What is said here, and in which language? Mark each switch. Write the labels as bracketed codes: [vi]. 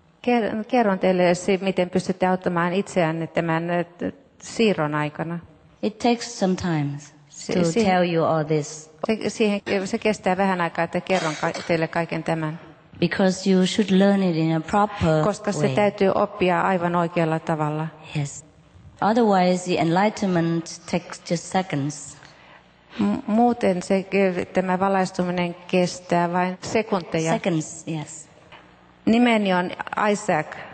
[fi] Kerron teille, miten pystytte auttamaan itseänne tämän siirron aikana. [en] It takes some time to tell you all this. [fi] Se kestää vähän aikaa, että kerron teille kaiken tämän. [en] Because you should learn it in a proper way. [fi] Koska se täytyy oppia aivan oikealla tavalla. [en] Yes. Otherwise the enlightenment takes just seconds. [fi] Muuten tämä valaistuminen kestää vain sekunteja. [en] Seconds, yes. [fi] Nimeni on Isaac.